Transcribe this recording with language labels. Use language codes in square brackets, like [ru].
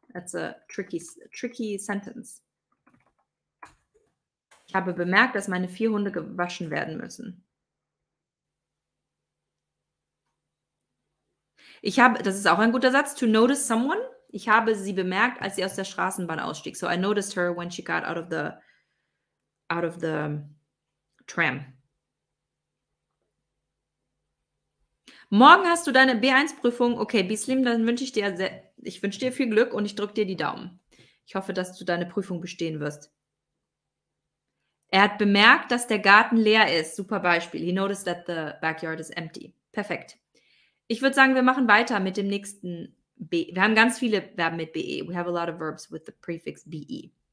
[en] That's a tricky sentence. [de] Ich habe bemerkt, dass meine 4 Hunde gewaschen werden müssen. Ich habe, das ist auch ein guter Satz, [en] to notice someone. [de] Ich habe sie bemerkt, als sie aus der Straßenbahn ausstieg. [en] So I noticed her when she got out of the tram. [de] Morgen hast du deine B1-Prüfung. Okay, Bislim, dann wünsche ich dir ich wünsche dir viel Glück und ich drücke dir die Daumen. Ich hoffe, dass du deine Prüfung bestehen wirst. Er hat bemerkt, dass der Garten leer ist. Super Beispiel. [en] He noticed that the backyard is empty. [de] Perfekt. Ich würde sagen, wir machen weiter mit dem nächsten BE. Wir haben ganz viele Verben mit BE. [en] We have a lot of verbs with the prefix BE.